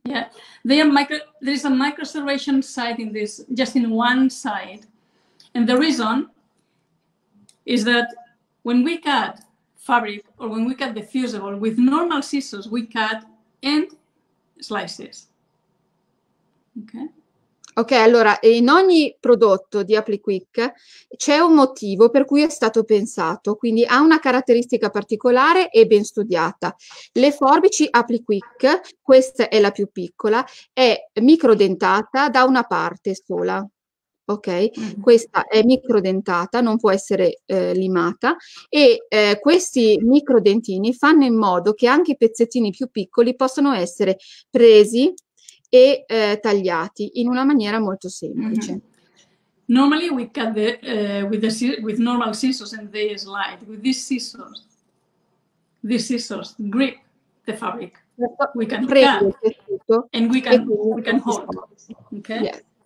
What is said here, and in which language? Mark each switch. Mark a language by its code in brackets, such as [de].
[en] Yeah, there is a microservation side in this, just in one side. And the reason is that when we cut Fabric or when we cut the Fusible with normal scissors, we cut end slices. Okay. [it] Ok, allora, in ogni prodotto di AppliQuick c'è un motivo per cui è stato pensato, quindi ha una caratteristica particolare e ben studiata. Le forbici AppliQuick, questa è la più piccola, è microdentata da una parte sola. Ok, questa è microdentata, non può essere limata, e questi microdentini fanno in modo che anche pezzettini più piccoli possano essere presi e tagliati in una maniera molto semplice. Mm-hmm. [en] Normally we cut the with normal scissors and they slide. With these scissors grip the fabric. We can cut and we can hold. Okay. Yes.